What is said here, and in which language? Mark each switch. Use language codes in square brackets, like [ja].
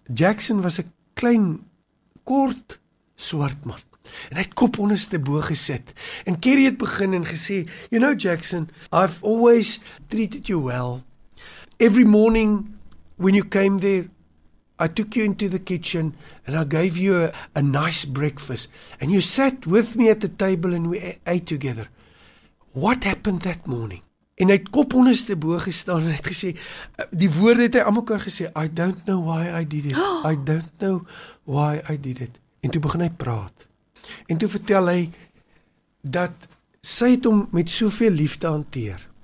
[af] Jackson was 'n klein, kort, swart man. En hy het kop onderste bo gesit. En Kerry het begin en gesê, [en] you know Jackson, I've always treated you well. Every morning when you came there, I took you into the kitchen and I gave you a nice breakfast and you sat with me at the table and we ate together. What happened that morning? [af] En hy het kop onderste bo gestaan en hy het gesê, die woorde het hy aan mekaar gesê, [en] I don't know why I did it. I don't know why I did it. [af] En toe begin hy praat. En toe vertel hy dat sy het hom met soveel liefde hanteer.